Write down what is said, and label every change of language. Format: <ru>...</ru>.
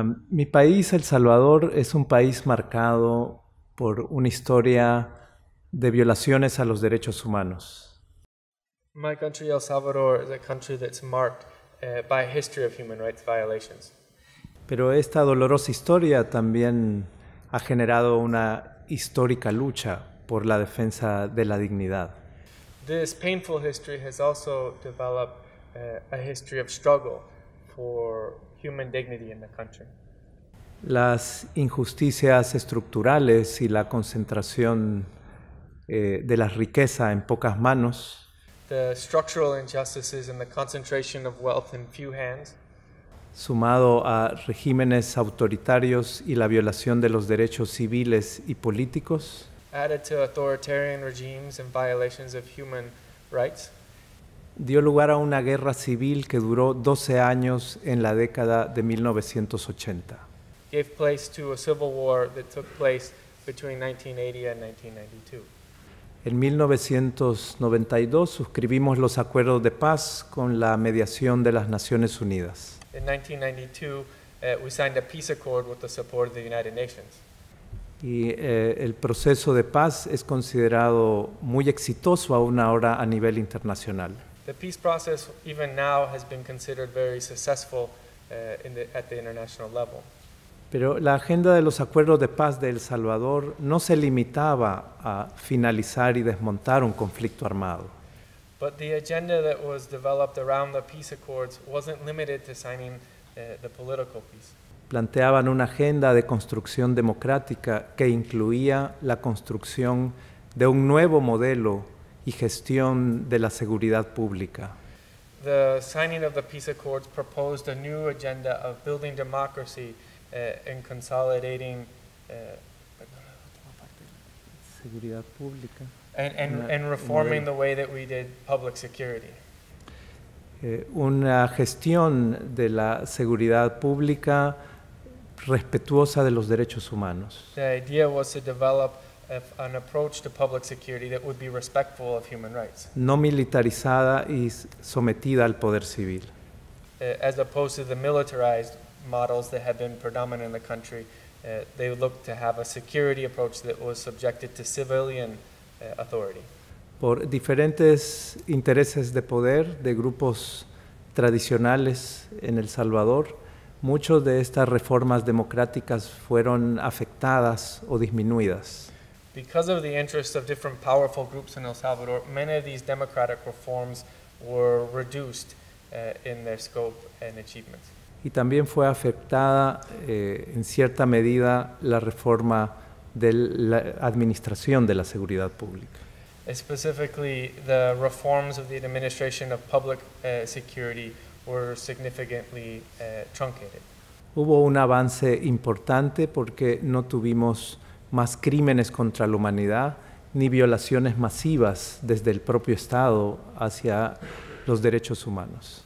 <es>Mi país, El Salvador, es un país marcado por una historia de violaciones a los derechos humanos.</es> <en>My country, El Salvador, is a country that's marked by a history of human rights violations.</en> <es>Pero esta dolorosa historia también ha generado una histórica lucha por la defensa de la dignidad.</es> <en>This painful history has also developed a history of struggle for human dignity in the country.</en> <es>Las injusticias estructurales y la concentración de la riqueza en pocas manos.</es> <en>The structural injustices and the concentration of wealth in few hands.</en> <es>Sumado a regímenes autoritarios y la violación de los derechos civiles y políticos.</es> <en>Added to authoritarian regimes and violations of human rights.</en> <es>Dio lugar a una guerra civil que duró 12 años en la década de 1980.</es> <en>Gave place to a civil war that took place between 1980 and 1992.</en> <es>En 1992 suscribimos los acuerdos de paz con la mediación de las Naciones Unidas.</es> <en>In 1992, we signed a peace accord with the support of the United Nations.</en> <es>Y el proceso de paz es considerado muy exitoso aún ahora a nivel internacional.</es> <en>The peace process even now has been considered very successful at the international level.</en> <es>Pero la agenda de los acuerdos de paz de El Salvador no se limitaba a finalizar y desmontar un conflicto armado.</es> <en>But the agenda that was developed around the peace accords wasn't limited to signing the political peace.</en> <es>Planteaban una agenda de construcción democrática que incluía la construcción de un nuevo modelo y gestión de la seguridad pública.</es> <en>The signing of the peace accords proposed a new agenda of building democracy in consolidating</en> <es>seguridad pública</es> <en>and reforming the way that we did public security.</en> <es>Una gestión de la seguridad pública respetuosa de los derechos humanos.</es> <en>The idea was to develop an approach to public security that would be respectful of human rights.</en> <es>No militarizada y sometida al poder civil.</es> <en>As opposed to the militarized models that have been predominant in the country, they look to have a security approach that was subjected to civilian authority.</en> <es>Por diferentes intereses de poder de grupos tradicionales en El Salvador, muchas de estas reformas democráticas fueron afectadas o disminuidas.</es> <en>Because of the interests of different powerful groups in El Salvador, many of these democratic reforms were reduced in their scope and achievements.</en> <es>Y también fue afectada, en cierta medida, la reforma de la administración de la seguridad pública.</es> <en>Specifically, the reforms of the administration of public security were significantly truncated.</en> <es>Hubo un avance importante porque no tuvimos más crímenes contra la humanidad ni violaciones masivas desde el propio Estado hacia los derechos humanos.</es>